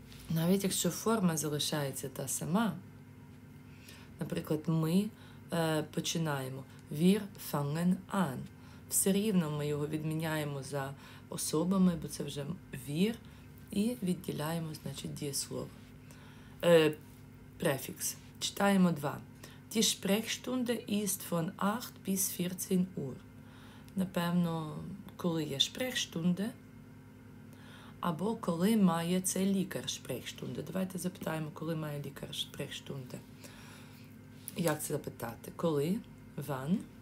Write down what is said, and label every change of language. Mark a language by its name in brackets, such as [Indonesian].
[Ukrainian] Навіть якщо форма залишається та сама, наприклад, ми починаємо. [German] Wir fangen an. [Ukrainian] Все рівно ми його відміняємо за особами, бо це вже wir. І відділяємо, значить, дієслово. Префікс. Читаємо два. [German] Die Sprechstunde ist von 8 bis 14 Uhr. [Ukrainian] Напевно, коли є Sprechstunde, або коли має цей лікар Sprechstunde. Давайте запитаємо, коли має лікар Sprechstunde. Як це запитати? Коли? Wann?